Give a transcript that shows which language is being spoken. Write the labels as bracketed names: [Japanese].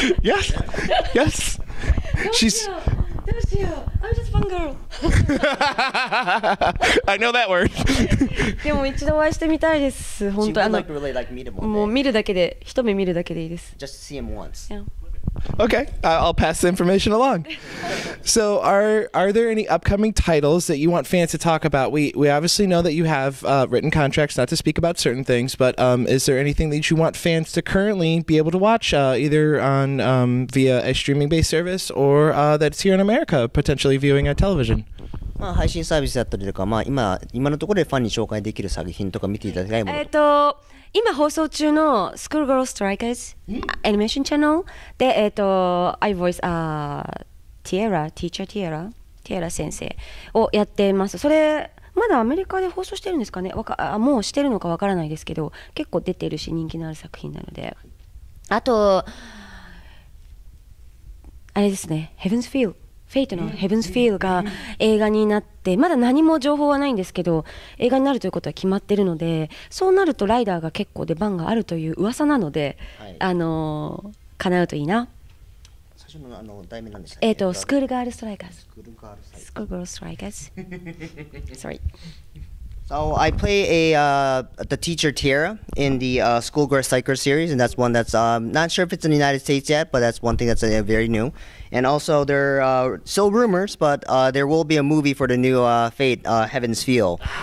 [English] Yes! Yes! She's... [Japanese] どうしよう、 [English] I'm just a fun girl. I know that word. [Japanese] でも一度お会いしてみたいです。本当 [English] あの、really like、 [Japanese] もう見るだけで、一目見るだけでいいです。 [English] Just see him once. Yeah. Okay, I'll pass the information along. So are there any upcoming titles that you want fans to talk about? We obviously know that you have written contracts not to speak about certain things, but is there anything that you want fans to currently be able to watch either on via a streaming based service or that's here in America potentially viewing on television? [Japanese] まあ配信サービスだったりとか、まあ今のところでファンに紹介できる作品とか見ていただきたいもの。今放送中の Schoolgirl Strikers Animation Channel で、 [English] I voice Tierra, Teacher Tierra, [Japanese] Tierra 先生をやってます。それまだアメリカで放送してるんですかね。もうしてるのかわからないですけど、結構出てるし人気のある作品なので。あとあれですね、Heaven's Feel。フェイトのヘブンズフィールが映画になってまだ何も情報はないんですけど映画になるということは決まってるのでそうなるとライダーが結構出番があるという噂なので、はい、叶うといいな最初 の題名なんでしたっけ、スクールガールストライカーズスクールガールストライカーズ Sorry [English] So I play the teacher Tiara in the Schoolgirl Psycho series, and that's one that's not sure if it's in the United States yet, but that's one thing that's very new. And also, there are still rumors, but there will be a movie for the new Fate, Heaven's Feel.